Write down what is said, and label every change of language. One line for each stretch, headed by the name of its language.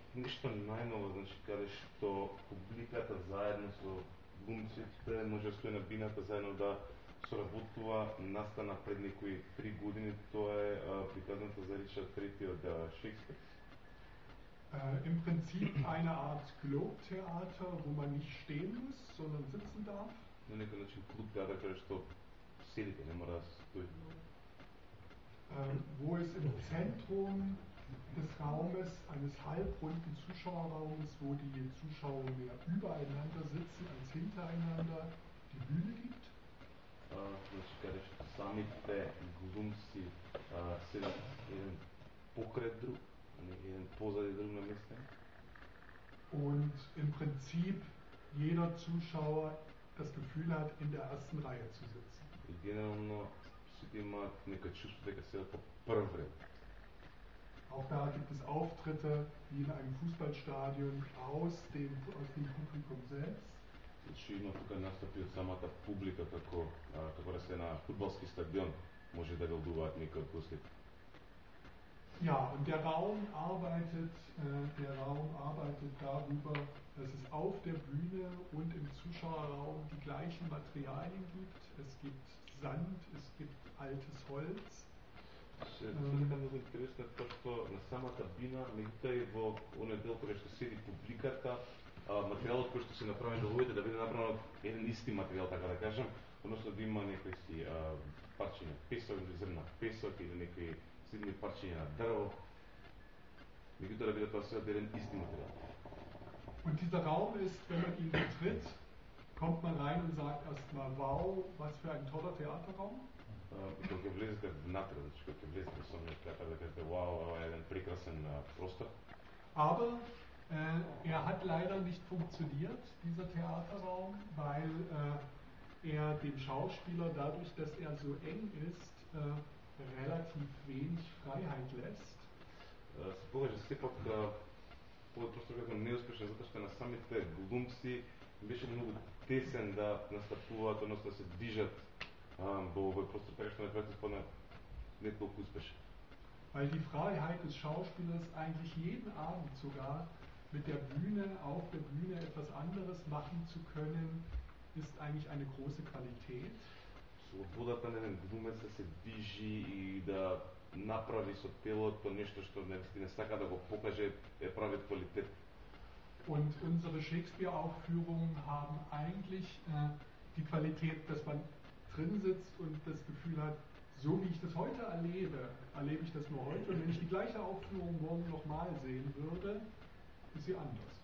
Macedonian: Ништо најново, значи, каде што публиката заедно со глумците може да стои на бината заедно да соработува, настана пред некои 3 години, тоа е приказната за Ричард III од Шекспир.
German: Im Prinzip eine Art Globtheater, wo man nicht stehen muss, sondern sitzen darf.
Macedonian: На некој начин клубтеатар, каде што седите, не мора да се стои.
German: Wo es im Zentrum des Raumes eines halbrunden Zuschauerraumes, wo die Zuschauer mehr übereinander sitzen als hintereinander, die Bühne gibt.
Macedonian: Значи, каде што самите глумци седат еден покрај друг, еден позади друг на место.
German: Und im Prinzip jeder Zuschauer das Gefühl hat, in der ersten Reihe zu sitzen.
Macedonian: И генерално сите имаат нека чувство дека седат по прв ред.
German: Auch da gibt es Auftritte wie in einem Fußballstadion aus dem Publikum selbst.
Macedonian: Значи има тука настапи од самата публика, како како се на фудбалски стадион може да гледуваат некои гости.
German: Ja, und der Raum arbeitet darüber, dass es auf der Bühne und im Zuschauerraum die gleichen Materialien gibt. Es gibt Sand, es gibt altes Holz.
Macedonian: Секогаш ми е интересно тоа што на самата бина, меѓутоа и во оној дел кога што седи публиката, материјалот кој што се направи да ловите да биде направен еден исти материјал, така да кажам, односно да има некои си парчиња песок или зрна песок или некои седни парчиња на дрво, меѓутоа да биде тоа се еден исти материјал.
German: Und dieser Raum ist, wenn man ihn betritt, kommt man rein und sagt erstmal, wow, was für ein toller Theaterraum.
Macedonian: Кога влезете внатре, значи кога влезете со мене, така да кажете, вау, ова е еден прекрасен простор.
German: Aber er hat leider nicht funktioniert, dieser Theaterraum, weil er dem Schauspieler dadurch, dass er so eng ist, relativ wenig Freiheit lässt.
Macedonian: Се покажа сепак да ова простор како неуспешен, затоа што на самите глумци беше многу тесен да настапуваат, односно да се движат во овој простор, така што најпрати спомена не толку успешен.
German: Weil die Freiheit des Schauspielers eigentlich jeden Abend sogar mit der Bühne, auf der Bühne etwas anderes machen zu können, ist eigentlich eine große Qualität.
Macedonian: Слободата на еден глумец да се движи и да направи со телото нешто што не сака да го покаже е прави квалитет.
German: Und unsere Shakespeare-Aufführungen haben eigentlich die Qualität, dass man drin sitzt und das Gefühl hat, so wie ich das heute erlebe, erlebe ich das nur heute. Und wenn ich die gleiche Aufführung morgen nochmal sehen würde, ist sie anders.